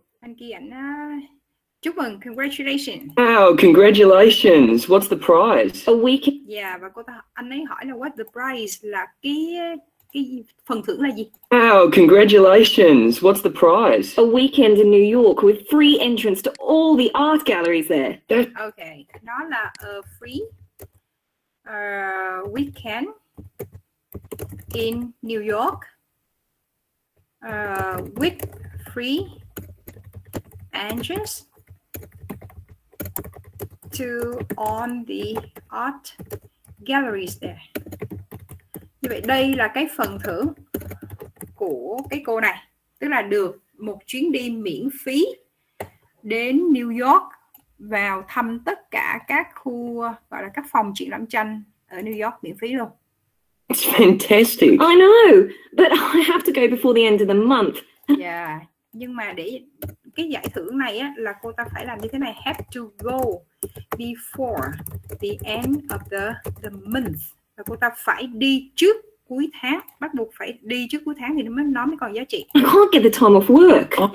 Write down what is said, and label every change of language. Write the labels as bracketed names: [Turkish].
[Vietnamese] Anh kia ảnh chúc mừng, congratulations. [English] Oh, congratulations. What's the prize? A week. [Vietnamese] Yeah, và cô ta anh ấy hỏi là [English] what the prize [Vietnamese] là cái gì? Phần thưởng là gì? [English] Oh, congratulations. What's the prize? A weekend in New York with free entrance to all the art galleries there. Ok, [Vietnamese] nó là [English] a free weekend in New York with free entrance to all the art galleries there. [Vietnamese] Như vậy đây là cái phần thưởng của cái cô này, tức là được một chuyến đi miễn phí đến New York vào thăm tất cả các khu gọi là các phòng triển lãm tranh ở New York miễn phí luôn. [English] It's fantastic. I know, but I have to go before the end of the month. [Vietnamese] Yeah, nhưng mà để cái giải thưởng này á là cô ta phải làm như thế này, [English] have to go before the end of the month. [Vietnamese] Và cô ta phải đi trước cuối tháng, bắt buộc phải đi trước cuối tháng thì nó mới còn giá trị. [English] I can't get the time off work.